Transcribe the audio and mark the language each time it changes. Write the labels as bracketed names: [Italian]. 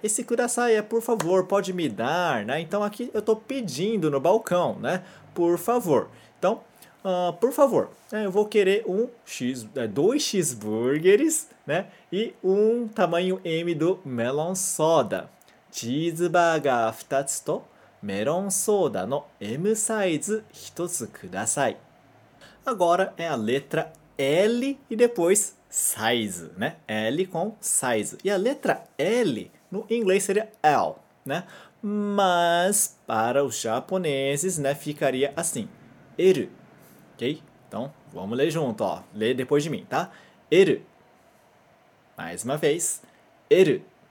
[Portuguese] Esse kudasai é por favor, pode me dar, né? Então aqui eu tô pedindo no balcão, né? Por favor. Então, por favor, né, eu vou querer dois cheeseburgers, né, e um tamanho M do melon soda. [Japanese] Cheeseburger 2つとメロンソーダの M サイズ1つください。 [Portuguese] Agora é a letra L e depois size, né? L com size. E a letra L no inglês seria L, né? Mas para os japoneses, né, ficaria assim. L. Ok? Então, vamos ler junto, ó. Lê depois de mim, tá? Eru. Mais uma vez. Eru.